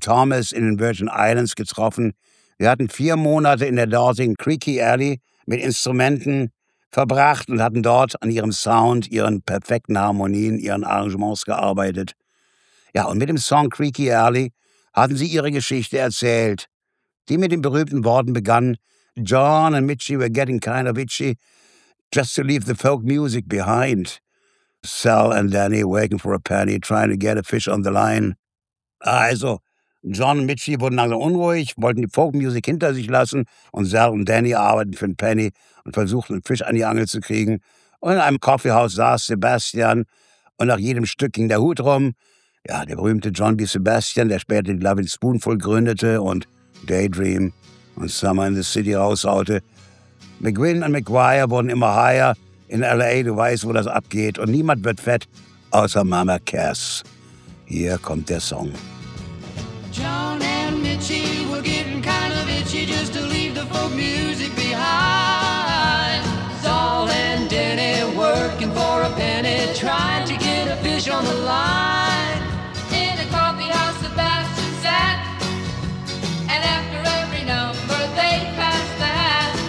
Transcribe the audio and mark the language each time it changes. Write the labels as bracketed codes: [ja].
[de] Thomas in den Virgin Islands getroffen. Sie hatten 4 Monate in der dortigen Creaky Alley mit Instrumenten verbracht und hatten dort an ihrem Sound, ihren perfekten Harmonien, ihren Arrangements gearbeitet. Ja, und mit dem Song Creaky Alley hatten sie ihre Geschichte erzählt, die mit den berühmten Worten begann, [en] John and Mitchie were getting kind of itchy just to leave the folk music behind. Sal and Danny waiting for a penny, trying to get a fish on the line. [de] Also, John und Mitchie wurden langsam unruhig, wollten die Folkmusik hinter sich lassen und Sal und Danny arbeiten für einen Penny und versuchten, einen Fisch an die Angel zu kriegen. Und in einem Coffeehaus saß Sebastian und nach jedem Stück ging der Hut rum. Ja, der berühmte John B. Sebastian, der später die Loving Spoonful gründete und Daydream und Summer in the City raushaute. McGuinn und McGuire wurden immer higher in L.A., du weißt, wo das abgeht. Und niemand wird fett, außer Mama Cass. Hier kommt der Song. [en] John and Mitchie were getting kind of itchy just to leave the folk music behind. Saul and Denny working for a penny, trying to get a fish on the line. In a coffee house Sebastian sat, and after every number they passed the hat.